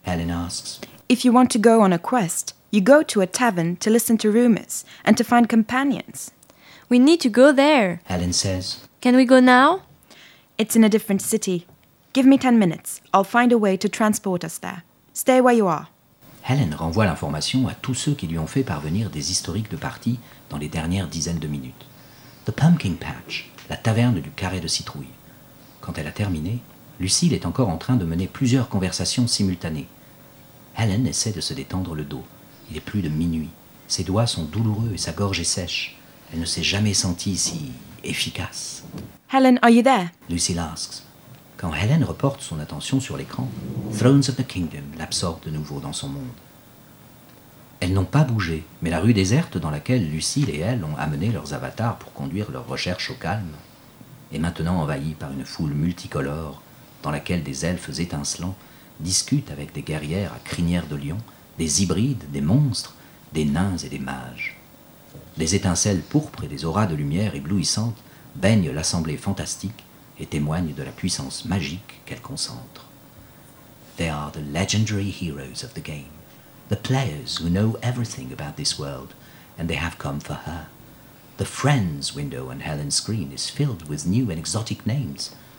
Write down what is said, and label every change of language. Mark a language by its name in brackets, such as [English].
[English] Helen asks. If you want to go on a quest, you go to a tavern to listen to rumours and to find companions. We need to go there, Helen says. Can we go now? It's in a different city. Give me 10 minutes. I'll find a way to transport us there. Stay where you are. [French] Helen renvoie l'information à tous ceux qui lui ont fait parvenir des historiques de parties dans les dernières dizaines de minutes. The Pumpkin Patch, la taverne du carré de citrouille. Quand elle a terminé, Lucille est encore en train de mener plusieurs conversations simultanées. Helen essaie de se détendre le dos. Il est plus de minuit. Ses doigts sont douloureux et sa gorge est sèche. Elle ne s'est jamais sentie si efficace. [English] Helen, are you there? Lucille asks. [French] Quand Helen reporte son attention sur l'écran, Thrones of the Kingdom l'absorbe de nouveau dans son monde. Elles n'ont pas bougé, mais la rue déserte dans laquelle Lucille et elle ont amené leurs avatars pour conduire leurs recherches au calme est maintenant envahie par une foule multicolore dans laquelle des elfes étincelants discutent avec des guerrières à crinière de lion, des hybrides, des monstres, des nains et des mages. Des étincelles pourpres et des auras de lumière éblouissantes baignent l'assemblée fantastique et témoigne de la puissance magique qu'elle concentre. [English] They are the legendary heroes of the game, the players who know everything about this world, and they have come for her. The friends window on Helen's screen is filled with new and exotic names.